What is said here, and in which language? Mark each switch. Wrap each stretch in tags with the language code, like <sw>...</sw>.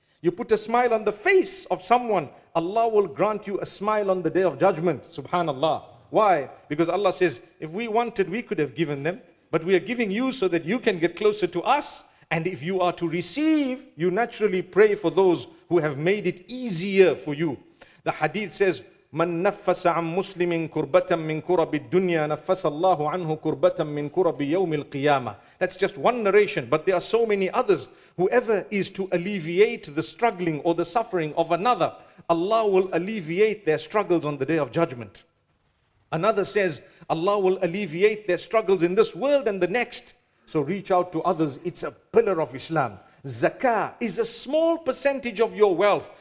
<en>You put a smile on the face of someone, Allah will grant you a smile on the day of judgment. Subhanallah. Why? Because Allah says, if we wanted, we could have given them. But we are giving you so that you can get closer to us. And if you are to receive, you naturally pray for those who have made it easier for you. The hadith says,</en> <ar>مَن نَفَّسَ عَمْ مُسْلِمٍ كُرْبَةً مِنْ كُرَبِ الدُّنْيَا نَفَّسَ اللَّهُ عَنْهُ كُرْبَةً مِنْ كُرَبِ يَوْمِ الْقِيَامَةِ.</ar> <en>That's just one narration, but there are so many others. Whoever is to alleviate the struggling or the suffering of another, Allah will alleviate their struggles on the Day of Judgment. Another says, Allah will alleviate their struggles in this world and the next. So reach out to others. It's a pillar of Islam. Zakah is a small percentage of your wealth.</en>